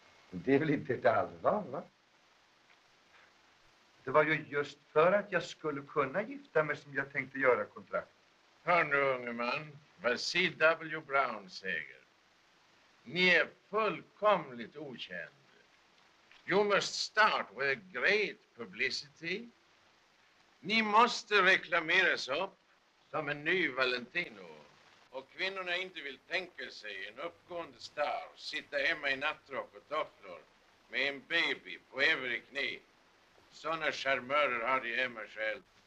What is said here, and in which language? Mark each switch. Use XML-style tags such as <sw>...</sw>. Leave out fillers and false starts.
<sv>Det är väl inte ett allvar, va? Det var ju just för att jag skulle kunna gifta mig som jag tänkte göra kontrakt. Hör nu, unge man, vad C.W. Brown säger. Ni är fullkomligt okänd.</sv> <en>You must start with a great publicity.</en> <sv>Ni måste reklameras upp som en ny Valentino. Och kvinnorna inte vill tänka sig en uppgående star sitta hemma i nattrock och tofflor med en baby på övre knä. Sådana charmörer har de hemma själv.</sv>